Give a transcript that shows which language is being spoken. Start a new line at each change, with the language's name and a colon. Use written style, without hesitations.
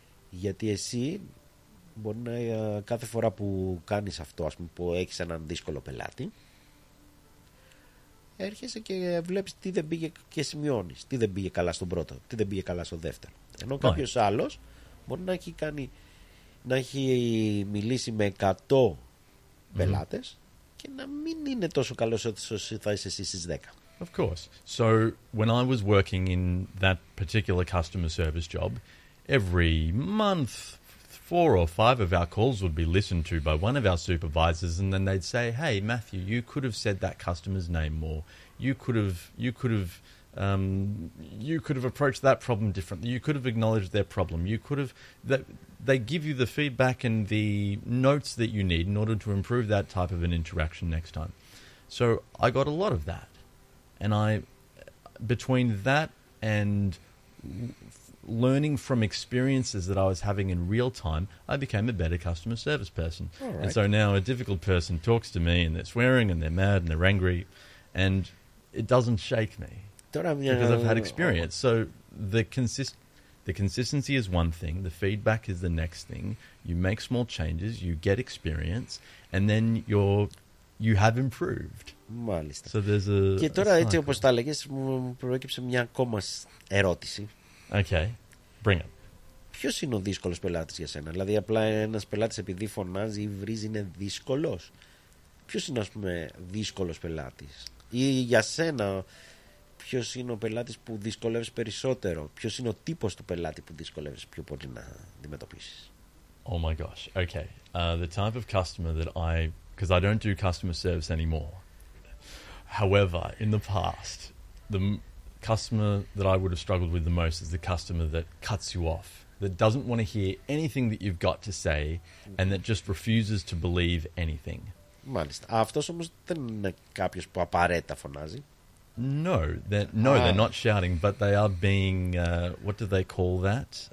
Greek: Γιατί εσύ μπορεί να κάθε φορά που κάνεις αυτό, ας πούμε, που έχεις έναν δύσκολο πελάτη, έρχεσαι και βλέπεις τι δεν πήγε και σημειώνεις. Τι δεν πήγε καλά στον πρώτο, τι δεν πήγε καλά στον δεύτερο. Ενώ κάποιος άλλος μπορεί να έχει κάνει, να έχει μιλήσει με 100 πελάτες και να μην είναι τόσο καλός όσο θα είσαι εσύ στις 10.
English: Of course. So when I was working in that particular customer service job, every month, 4 or 5 of our calls would be listened to by one of our supervisors, and then they'd say, "Hey, Matthew, you could have said that customer's name more. You could have approached that problem differently. You could have acknowledged their problem. You could have that." They give you the feedback and the notes that you need in order to improve that type of an interaction next time. So I got a lot of that. And I, between that and learning from experiences that I was having in real time, I became a better customer service person. All right. And so now a difficult person talks to me and they're swearing and they're mad and they're angry and it doesn't shake me because I've had experience. So the consistency is one thing. The feedback is the next thing. You make small changes, you get experience, and then you have improved.
Greek: Μάλιστα.
English: So there's a,
Greek: και τώρα a έτσι όπως τα λέγες, μου προέκυψε μια ακόμα ερώτηση.
English: Okay, bring it.
Greek: Ποιος είναι ο δύσκολος πελάτης για σένα? Δηλαδή απλά ένας πελάτης επειδή φωνάζει ή βρίζει είναι δύσκολος? Ποιος είναι, ας πούμε, δύσκολος πελάτης? Ή για σένα, ποιος είναι ο πελάτης που δυσκολεύεις περισσότερο? Ποιος είναι ο τύπος του πελάτη που δυσκολεύεις πιο πολύ να αντιμετωπίσεις?
English: Oh my gosh, okay. The type of customer that I... Because I don't do customer service anymore. However, in the past, the customer that I would have struggled with the most is the customer that cuts you off, that doesn't want to hear anything that you've got to say, and that just refuses to believe anything.
Greek: Μάλιστα. Αυτός όμως δεν είναι κάποιος που απαραίτητα φωνάζει.
English: No, they're not shouting, but they are being, what do they call that?